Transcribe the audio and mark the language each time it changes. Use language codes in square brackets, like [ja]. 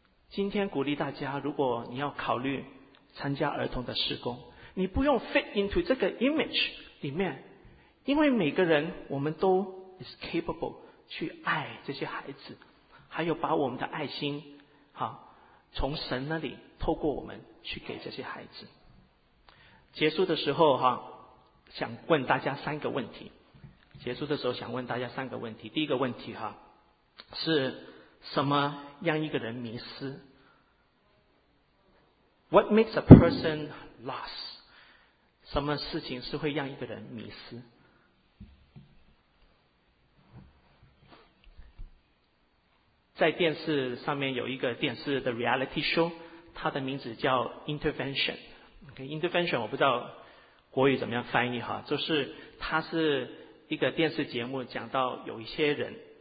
[zh] 今天鼓励大家，如果你要考虑参加儿童的事工，你不用 [en] fit into [zh] 这个 image 里面，因为每个人我们都 [en] is capable [zh] 去爱这些孩子，还有把我们的爱心从神那里透过我们去给这些孩子。结束的时候想问大家三个问题，结束的时候想问大家三个问题。第一个问题是什么让一个人迷失？ [en] What makes a person lost? [zh] 什么事情是会让一个人迷失？在电视上面有一个电视的 reality show， 它的名字叫 Intervention。 Okay, Intervention 我不知道国语怎么样翻译就是它是一个电视节目，讲到有一些人